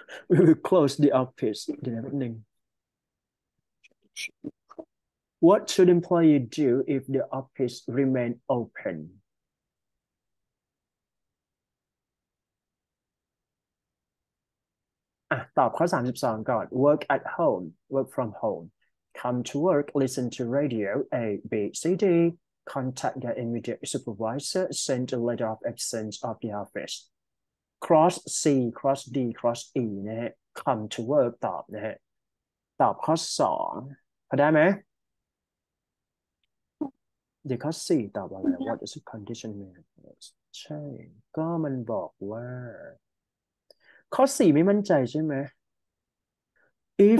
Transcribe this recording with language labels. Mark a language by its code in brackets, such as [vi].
[en] We will close the office [th] เดี๋ยวนึง [en] What should employee do if the office remain open? [th] อ่ะตอบข้อ32ก่อน [en] Work at home, work from home. Come to work, listen to radio A, B, C, D. Contact your immediate supervisor, send a letter of absence of the office. Cross C, cross D, cross E [th] นะฮะ [en] Come to work [th] ตอบนะฮะตอบข้อ2พอได้ไหม เด็กข้อสี่ตอบอะไร [en] What is the condition mean [th] ใช่ก็มันบอกว่าข้อสี่ไม่มั่นใจใช่ไหม [en] If